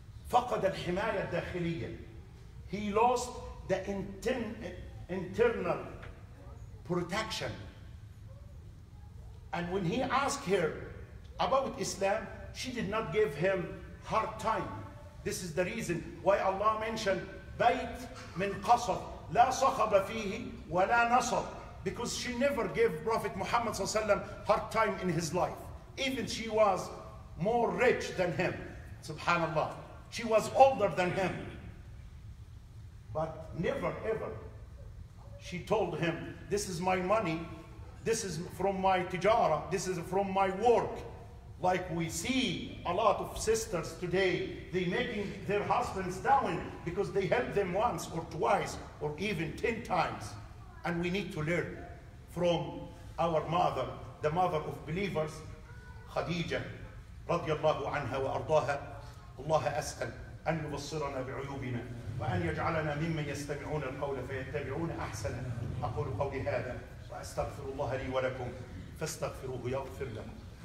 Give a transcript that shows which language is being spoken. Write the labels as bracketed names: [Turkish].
[Arabic] فقد الحماية الداخلية. [English] He lost the internal protection. And when he asked her about Islam, she did not give him hard time. This is the reason why Allah mentioned [Arabic] بيت من قصر لا صخب فيه ولا نصر. [English] Because she never gave Prophet Muhammad hard time in his life. Even she was more rich than him, subhanAllah. She was older than him. But never ever she told him, this is my money, this is from my tijara, this is from my work. Like we see a lot of sisters today, they making their husbands down because they help them once or twice or even 10 times. And we need to learn from our mother, the mother of believers, Khadija, radiallahu anha wa ardaha. [Arabic] الله أسأل أن يبصرنا بعيوبنا وأن يجعلنا ممن يستمعون القول فيتبعون أحسن. أقول قولي هذا وأستغفر الله لي ولكم فاستغفروه يغفر لكم.